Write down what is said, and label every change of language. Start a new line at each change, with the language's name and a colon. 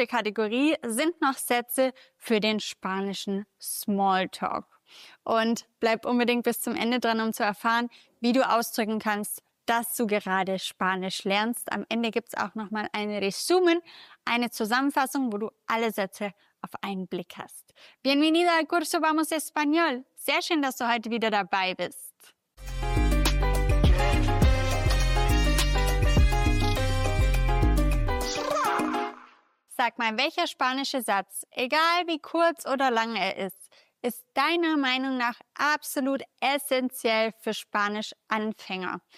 German: Kategorie sind noch Sätze für den spanischen Smalltalk. Und bleib unbedingt bis zum Ende dran, um zu erfahren, wie du ausdrücken kannst, dass du gerade Spanisch lernst. Am Ende gibt's auch nochmal ein Resumen, eine Zusammenfassung, wo du alle Sätze auf einen Blick hast.
Spanish: Bienvenido al curso Vamos Español.
German: Sehr schön, dass du heute wieder dabei bist. Sag mal, welcher spanische Satz, egal wie kurz oder lang er ist, ist deiner Meinung nach absolut essentiell für Spanisch-Anfänger?